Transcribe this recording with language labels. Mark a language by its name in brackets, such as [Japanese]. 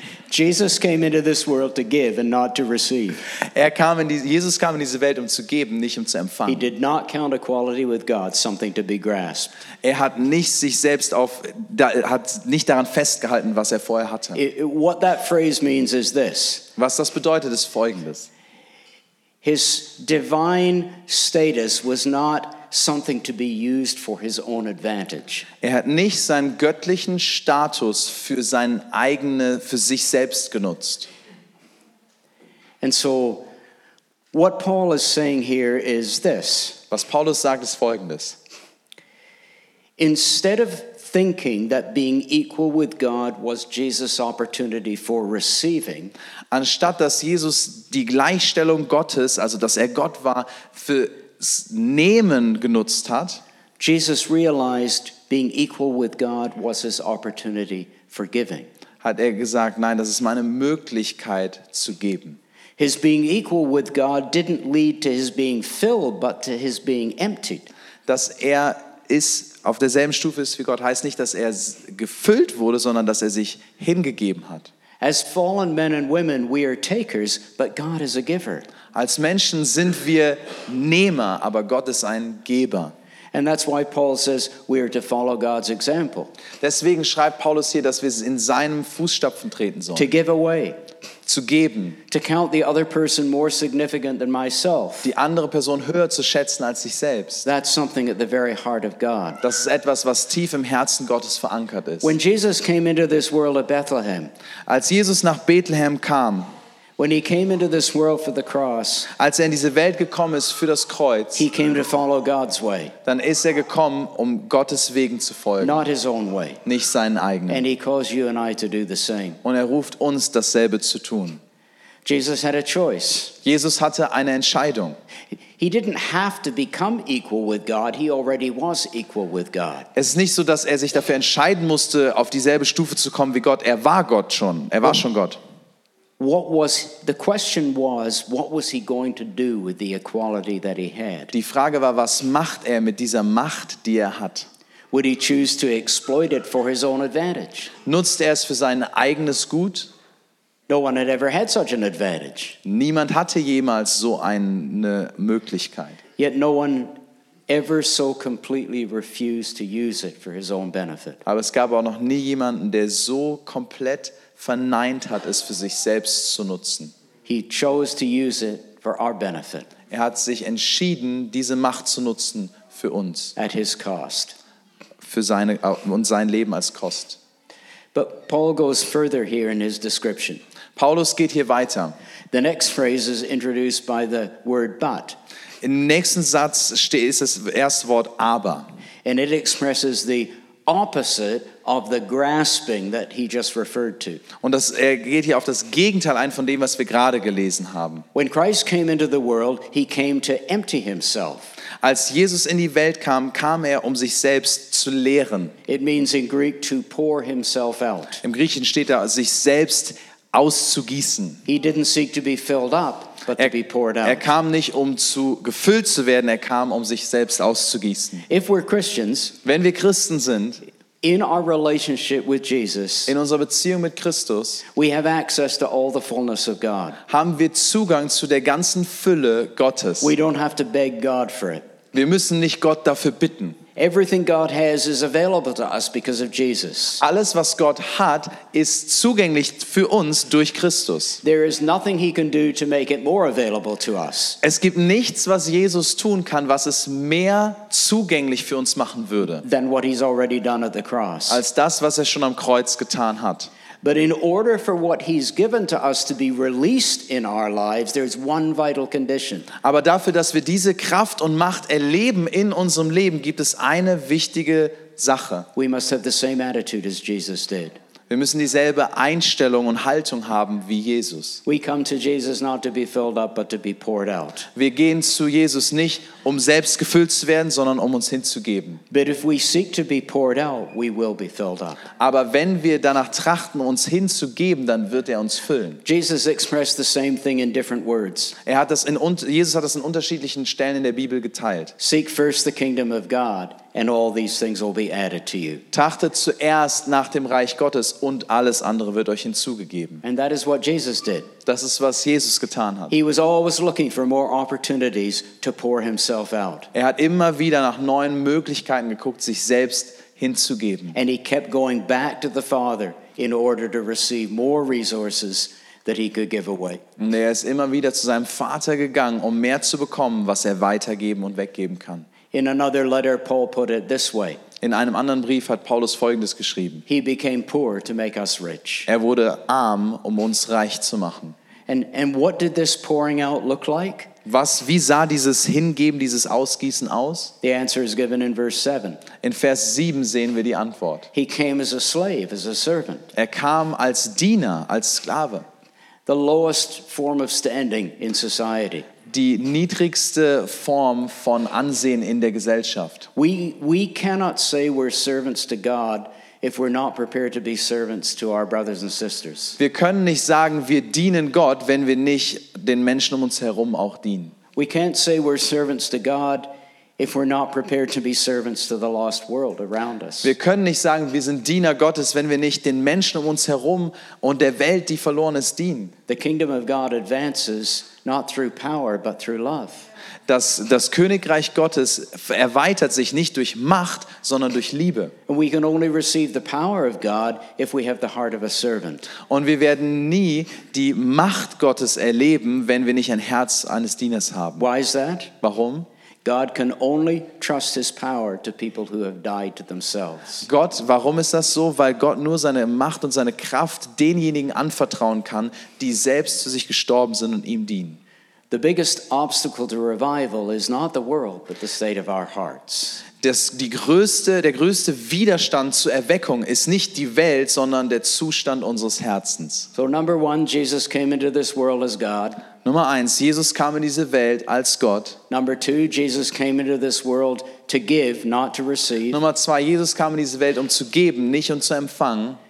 [English] Jesus came into this world to give and not to receive. [German] Jesus kam in diese Welt, um zu geben, nicht um zu empfangen. [English] He did not count equality with God something to be grasped. [German] Er hat nicht sich selbst hat nicht daran festgehalten, was er vorher hatte. [English] What that phrase means is this. [German] Was das bedeutet, ist Folgendes. [English] His divine status was not something to be used for his own advantage. [German] Er hat nicht seinen göttlichen Status für sich selbst genutzt. [English] And so what Paul is saying here is this. [German] Was Paulus sagt, ist Folgendes. [English] Instead of thinking that being equal with God was Jesus' opportunity for receiving, [German] anstatt dass Jesus die Gleichstellung Gottes, also dass er Gott war, für Nehmen genutzt hat, [English] Jesus realized being equal with God was his opportunity for giving. [German] Hat er gesagt, nein, das ist meine Möglichkeit zu geben. [English] His being equal with God didn't lead to his being filled, but to his being emptied. [German] Dass er ist auf derselben Stufe ist wie Gott, heißt nicht, dass er gefüllt wurde, sondern dass er sich hingegeben hat. [English] As fallen men and women, we are takers, but God is a giver. [German] Als Menschen sind wir Nehmer, aber Gott ist ein Geber. [English] And that's why Paul says we are to follow God's example. [German] Deswegen schreibt Paulus hier, dass wir in seinem Fußstapfen treten sollen. [English] To give away. [German] Zu geben. [English] To count the other person more significant than myself. [German] Die andere Person höher zu schätzen als sich selbst. [English] That's something at the very heart of God. [German] Das ist etwas, was tief im Herzen Gottes verankert ist. [English] When Jesus came into this world at Bethlehem. [German] Als Jesus nach Bethlehem kam. [English] When he came into this world for the cross, [German] als er in diese Welt gekommen ist für das Kreuz, [English] he came to follow God's way. [German] Dann ist er gekommen, um Gottes Wegen zu folgen. [English] Not his own way. [German] Nicht seinen eigenen. [English] And he calls you and I to do the same. [German] Und er ruft uns, dasselbe zu tun. [English] Jesus had a choice. [German] Jesus hatte eine Entscheidung. [English] He didn't have to become equal with God. He already was equal with God. [German] Es ist nicht so, dass er sich dafür entscheiden musste, auf dieselbe Stufe zu kommen wie Gott. Er war Gott schon. Er war schon Gott. [English] What was he going to do with the equality that he had? [German] Die Frage war, was macht er mit dieser Macht, die er hat? [English] Would he choose to exploit it for his own advantage? [German] Nutzt er es für sein eigenes Gut? [English] No one had ever had such an advantage. [German] Niemand hatte jemals so eine Möglichkeit. [English] Yet no one ever so completely refused to use it for his own benefit. [German] Aber es gab auch noch nie jemanden, der so komplett verneint hat, es für sich selbst zu nutzen. [English] He chose to use it for our benefit. [German] Er hat sich entschieden, diese Macht zu nutzen für uns. [English] At his cost. [German] Für seine und sein Leben als Kost. [English] But Paul goes further here in his description. [German] Paulus geht hier weiter. [English] The next phrase is introduced by the word but. [German] Im nächsten Satz ist das erste Wort aber. [English] And it expresses the opposite of the grasping that he just referred to. [German] Und das, er geht hier auf das Gegenteil ein von dem, was wir gerade gelesen haben. [English] When Christ came into the world, he came to empty himself. [German] Als Jesus in die Welt kam, kam er, um sich selbst zu leeren. [English] It means in Greek to pour himself out. [German] Im Griechischen steht da, sich selbst auszugießen. [English] He didn't seek to be filled up, but to be poured out. [German] Er kam nicht, um zu gefüllt zu werden, er kam, um sich selbst auszugießen. [English] If we're Christians, [German] wenn wir Christen sind, [English] in our relationship with Jesus, [German] in unserer Beziehung mit Christus, [English] we have access to all the fullness of God. [German] Haben wir Zugang zu der ganzen Fülle Gottes. [English] We don't have to beg God for it. [German] Wir müssen nicht Gott dafür bitten. [English] Everything God has is available to us because of Jesus. [German] Alles, was Gott hat, ist zugänglich für uns durch Christus. [English] There is nothing he can do to make it more available to us. [German] Es gibt nichts, was Jesus tun kann, was es mehr zugänglich für uns machen würde. [English] Than what he's already done at the cross. [German] Als das, was er schon am Kreuz getan hat. [English] But in order for what he's given to us to be released in our lives, there's one vital condition. [German] Aber dafür, dass wir diese Kraft und Macht erleben in unserem Leben, gibt es eine wichtige Sache. [English] We must have the same attitude as Jesus did. [German] Wir müssen dieselbe Einstellung und Haltung haben wie Jesus. [English] We come to Jesus not to be filled up, but to be poured out. [German] Wir gehen zu Jesus nicht, um selbst gefüllt zu werden, sondern um uns hinzugeben. [English] But if we seek to be poured out, we will be filled up. [German] Aber wenn wir danach trachten, uns hinzugeben, dann wird er uns füllen. [English] Jesus expressed the same thing in different words. [German] Jesus hat das in unterschiedlichen Stellen in der Bibel geteilt. [English] Seek first the kingdom of God. And all these things will be added to you. [German] Trachtet zuerst nach dem Reich Gottes und alles andere wird euch hinzugegeben. [English] And that is what Jesus did. [German] Das ist, was Jesus getan hat. [English] He was always looking for more opportunities to pour himself out. [German] Er hat immer wieder nach neuen Möglichkeiten geguckt, sich selbst hinzugeben. [English] And he kept going back to the Father in order to receive more resources that he could give away. [German] Und er ist immer wieder zu seinem Vater gegangen, um mehr zu bekommen, was er weitergeben und weggeben kann. [English] In another letter, Paul put it this way. [German] In einem anderen Brief hat Paulus Folgendes geschrieben. [English] He became poor to make us rich. [German] Er wurde arm, um uns reich zu machen. [English] And what did this pouring out look like? [German] Wie sah dieses Hingeben, dieses Ausgießen aus? [English] The answer is given in verse 7. [German] In Vers 7 sehen wir die Antwort. [English] He came as a slave, as a servant. [German] Er kam als Diener, als Sklave. [English] The lowest form of standing in society. [German] Die niedrigste Form von Ansehen in der Gesellschaft. [English] We cannot say we're servants to God if we're not prepared to be servants to our brothers and sisters. [German] Wir können nicht sagen, wir dienen Gott, wenn wir nicht den Menschen um uns herum auch dienen. [English] We can't say we're servants to God if we're not prepared to be servants to the lost world around us. [German] Wir können nicht sagen, wir sind Diener Gottes, wenn wir nicht den Menschen um uns herum und der Welt, die verloren ist, dienen. [English] The kingdom of God advances not through power, but through love. [German] Das Königreich Gottes erweitert sich nicht durch Macht, sondern durch Liebe. [English] We can only receive the power of God if we have the heart of a servant. [German] Und wir werden nie die Macht Gottes erleben, wenn wir nicht ein Herz eines Dieners haben. [English] Why is that? [German] Warum? [English] God can only trust his power to people who have died to themselves. [German] Gott, warum ist das so? Weil Gott nur seine Macht und seine Kraft denjenigen anvertrauen kann, die selbst zu sich gestorben sind und ihm dienen. [English] The biggest obstacle to revival is not the world, but the state of our hearts. [German] Der größte Widerstand zur Erweckung ist nicht die Welt, sondern der Zustand unseres Herzens. [English] So number one, Jesus came into this world as God. [German] Nummer eins, Jesus kam in diese Welt als Gott. [English] Number two, Jesus came into this world to give, not to receive. [German] Nummer zwei, Jesus kam in diese Welt, um zu geben, nicht um zu empfangen.